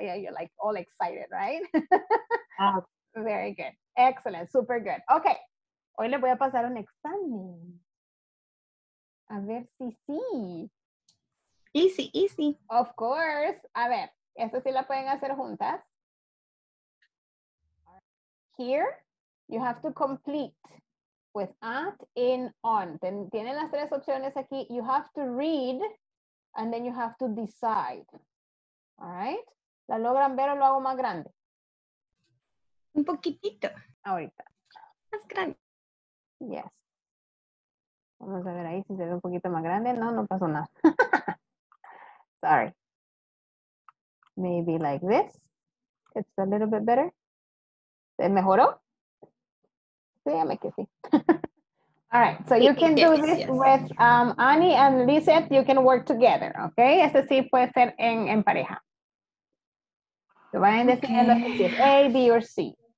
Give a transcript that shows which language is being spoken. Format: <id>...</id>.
<en>Yeah, you're like all excited, right? Very good. Excellent. Super good. Okay.</en> <es>Hoy le voy a pasar un examen. A ver si sí.</es> <en>Easy, easy. Of course.</en> <es>A ver, esto sí la pueden hacer juntas.</es> <en>Here, you have to complete with at, in, on.</en> <es>Tienen las tres opciones aquí.</es> <en>You have to read, and then you have to decide. All right?</en> <es>¿La logran ver o lo hago más grande? Un poquitito. Ahorita. Más grande.</es> <en>Yes.</en> <es>Vamos a ver ahí si se ve un poquito más grande. No, no pasó nada.</es> <en>Sorry. Maybe like this. It's a little bit better.</en> <es>¿Se mejoró? Sí, ya me quedé.</es> <en>All right. So you can do this with Annie and Lizette. You can work together. Okay.</en> <es>Este sí puede ser en pareja. So vayan decidiendo si es A, B, or C.</es>